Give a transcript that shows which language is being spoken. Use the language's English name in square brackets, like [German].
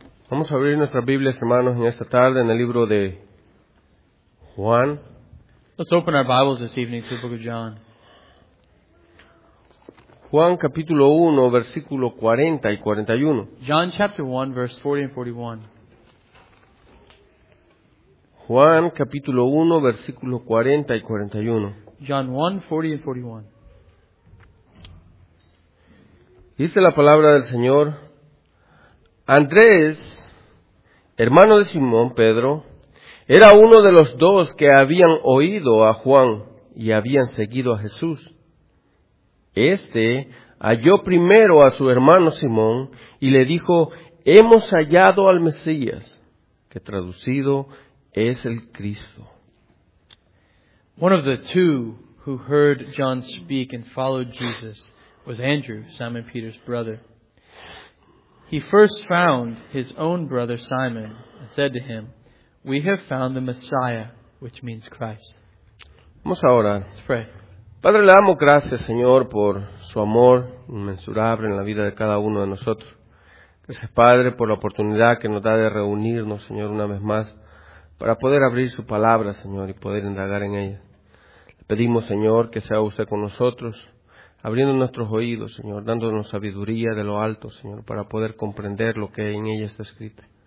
[Spanish] Vamos a abrir nuestras Biblias, hermanos, en esta tarde en el libro de Juan. [English] Let's open our Bibles this evening to the book of John. [Spanish] Juan capítulo 1, versículo 40 y 41. [English] John chapter 1, verse 40 and 41. [Spanish] Juan capítulo 1, versículo 40 y 41. [English] John 1, 40 and 41. [Spanish] Dice la palabra del Señor: Andrés, hermano de Simón Pedro, era uno de los dos que habían oído a Juan y habían seguido a Jesús. Este halló primero a su hermano Simón y le dijo: Hemos hallado al Mesías, que traducido es el Cristo. [English] One of the two who heard John speak and followed Jesus was Andrew, Simon Peter's brother. He first found his own brother Simon and said to him, We have found the Messiah, which means Christ. [Spanish] Vamos a orar. [English] Let's pray. [Spanish] Padre, le damos gracias, Señor, por su amor inmensurable en la vida de cada uno de nosotros. Gracias, Padre, por la oportunidad que nos da de reunirnos, Señor, una vez más, para poder abrir su palabra, Señor, y poder indagar en ella. Le pedimos, Señor, que sea usted con nosotros, abriendo nuestros oídos, Señor, dándonos sabiduría de lo alto, Señor, para poder comprender lo que en ella está escrito.